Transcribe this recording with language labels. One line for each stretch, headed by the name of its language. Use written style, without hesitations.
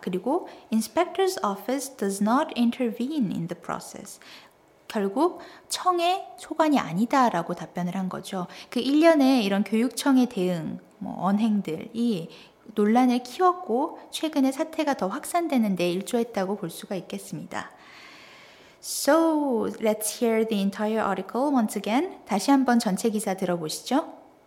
English: 그리고 Inspector's Office does not intervene in the process.
Korean: 결국 청의 소관이 아니다라고 답변을 한 거죠. 그 1년에 이런 교육청의 대응, 뭐 언행들이 논란을 키웠고 최근에 사태가 더 확산되는 데 일조했다고 볼 수가 있겠습니다.
English: So let's hear the entire article once again.
Korean: 다시 한번 전체 기사 들어보시죠.